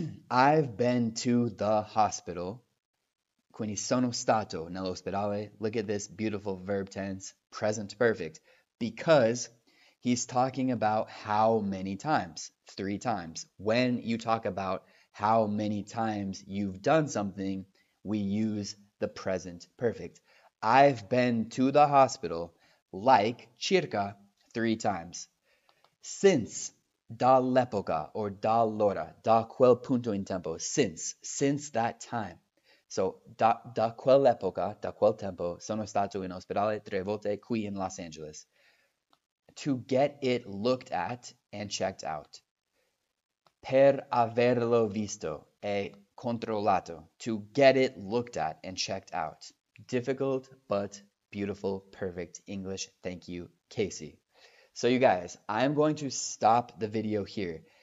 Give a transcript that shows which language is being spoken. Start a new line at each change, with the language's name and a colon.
English: I've been to the hospital.
Italian: Quindi sono stato nell'ospedale.
English: Look at this beautiful verb tense, present perfect. Because he's talking about how many times? 3 times. When you talk about how many times you've done something, we use the present perfect. I've been to the hospital like circa 3 times. Since,
Italian: dall'epoca
English: or
Italian: dall'ora, da quel punto in tempo,
English: since that time.
Italian: So da quell'epoca, da quel tempo, sono stato in ospedale 3 volte qui in Los Angeles.
English: To get it looked at and checked out.
Italian: Per averlo visto e controllato,
English: to get it looked at and checked out. Difficult, but beautiful, perfect English. Thank you, Casey. So you guys, I'm going to stop the video here.